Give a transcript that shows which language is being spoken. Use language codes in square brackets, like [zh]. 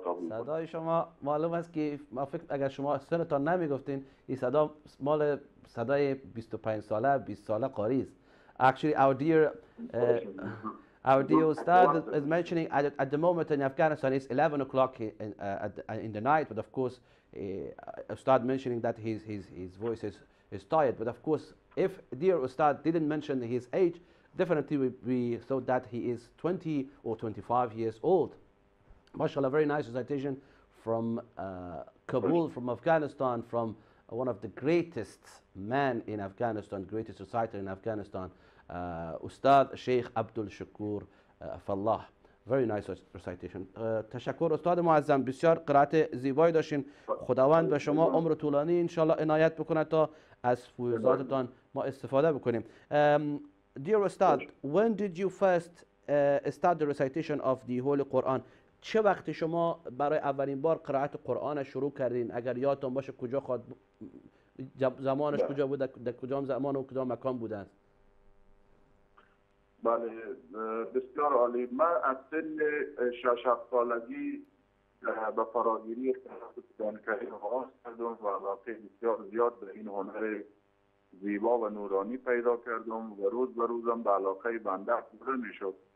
[fa] صدای شما معلوم است که ما فکر اگر شما سنتان نمیگفتین این صدا مال صدای 25 ساله 20 ساله قاری است. [en] Actually, our dear Ustad is mentioning at the moment in Afghanistan it's 11 o'clock in the night, but of course Ustad mentioning that his voice is tired. But of course, if dear Ustad didn't mention his age, definitely we thought that he is 20 or 25 years old. MashaAllah, very nice recitation from Kabul, from Afghanistan, from one of the greatest men in Afghanistan, greatest reciter in Afghanistan, Ustad Sheikh Abdul Shokour Fallah. Very nice recitation. [fa] تشکر استاد معظم، بسیار قرائت زیبایی داشتین. خداوند به شما عمر طولانی انشاءالله عنایت بکنه تا از فیوزاتتان ما استفاده بکنیم. [en] Dear Ustad, when did you first start the recitation of the Holy Quran? [fa] چه وقت شما برای اولین بار قرائت قرآن شروع کردین؟ اگر یادتون باشه کجا خواهد زمانش کجا بوده، در کجام زمان و کدام مکان بوده؟ بله، بسیار عالی. من از سن 6-7 سالگی به فراگیری دانکهی ها کردم و علاقه بسیار زیاد به این هنر زیبا و نورانی پیدا کردم و روز به روزم به علاقه بنده افزوده می شد.